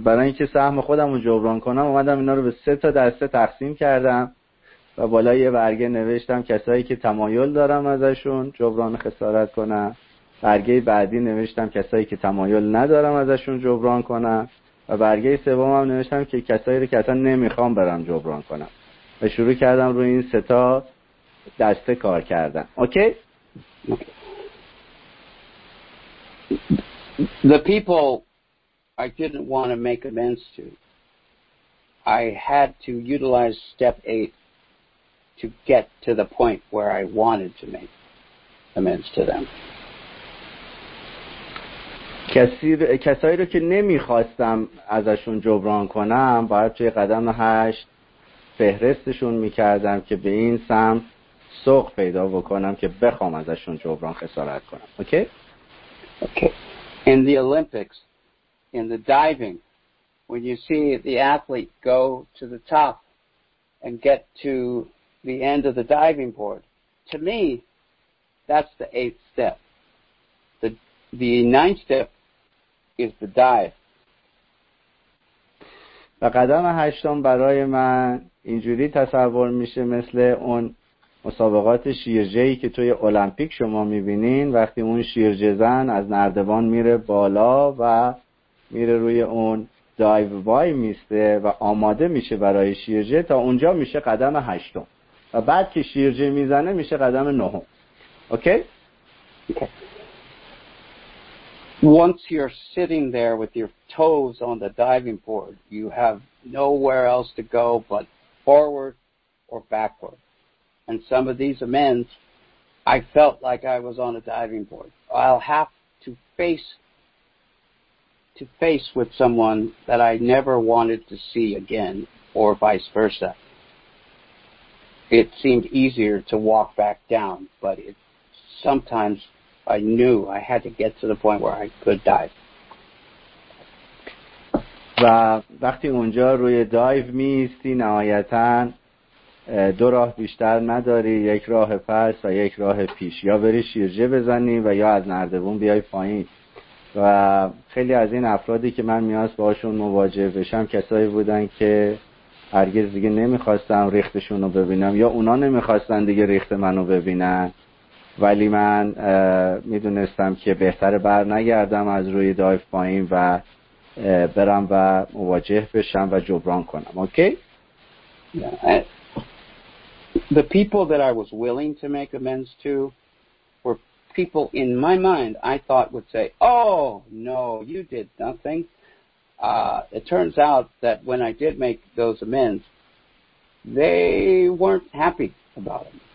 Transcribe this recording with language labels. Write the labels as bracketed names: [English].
[Persian] برای اینکه سهم خودم رو جبران کنم اومدم اینا رو به 3 دسته تقسیم کردم و بالای یه برگه نوشتم کسایی که تمایل دارم ازشون جبران خسارت کنم. برگه بعدی نوشتم کسایی که تمایل ندارم ازشون جبران کنم و برگه سوم هم نوشتم که کسایی رو که اصلا نمیخوام برم جبران کنم. و شروع کردم روی این 3 تا دسته کار کردم. اوکی؟ [English] The people I didn't want to make amends to, I had to utilize step 8 to get to the point where I wanted to make amends to them. [Persian] کسایی رو که نمیخواستم ازشون جبران کنم باید توی قدم 8 فهرستشون میکردم که به این سمت سوق پیدا بکنم که بخوام ازشون جبران خسارت کنم. اوکی؟ اوکی. [English] In the Olympics, in the diving, when you see the athlete go to the top and get to the end of the diving board, to me, that's the 8th step. The 9th step is the dive. [Persian] و قدم 8 برای من اینجوری تصور میشه مثل اون مسابقات شیرجهی که توی المپیک شما میبینین وقتی اون شیرجه زن از نردبان میره بالا و میره روی اون دایو وای میسته و آماده میشه برای شیرجه تا اونجا میشه قدم 8 و بعد که شیرجه میزنه میشه قدم 9. اوکی؟ [English] Once you're sitting there with your toes on the diving board, you have nowhere else to go but forward or backward. And some of these amends, I felt like I was on a diving board. I'll have to face with someone that I never wanted to see again, or vice versa. It seemed easier to walk back down, but sometimes I knew I had to get to the point where I could dive. [Persian] و وقتی اونجا روی دایو میستی نهایتاً دو راه بیشتر نداری، یک راه پس و یک راه پیش، یا بری شیرجه بزنی و یا از نردبون بیای پایین. و خیلی از این افرادی که من میاس باشون مواجه بشم کسایی بودن که هرگز دیگه نمیخواستم ریختشون رو ببینم یا اونا نمیخواستن دیگه ریخت منو ببینن، ولی من میدونستم که بهتر بر نگردم از روی دایف پایین و برم و مواجه بشم و جبران کنم. اوکی؟ [English] The people that I was willing to make amends to were people in my mind I thought would say, oh, no, you did nothing. It turns out that when I did make those amends, they weren't happy about them.